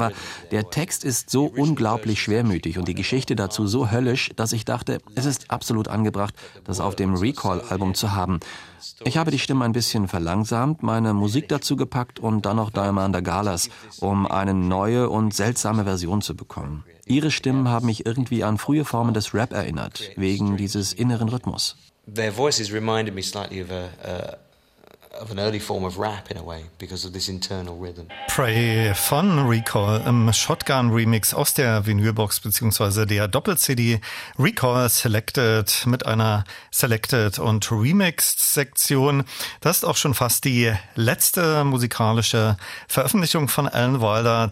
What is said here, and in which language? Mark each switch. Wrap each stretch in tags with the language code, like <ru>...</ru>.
<de>Aber der Text ist so unglaublich schwermütig und die Geschichte dazu so höllisch, dass ich dachte, es ist absolut angebracht, das auf dem Recall-Album zu haben. Ich habe die Stimme ein bisschen verlangsamt, meine Musik dazu gepackt und dann noch Diamond Galas, um eine neue und seltsame Version zu bekommen. Ihre Stimmen haben mich irgendwie an frühe Formen des Rap erinnert, wegen dieses inneren Rhythmus.</de> <en>Their voices reminded me slightly of an early form of rap in a way because of this internal rhythm.</en> <de>Pray von Recall im Shotgun Remix aus der Vinylbox bzw. der Doppel-CD Recall Selected mit einer Selected und Remixed Sektion. Das ist auch schon fast die letzte musikalische Veröffentlichung von Alan Wilder.</de>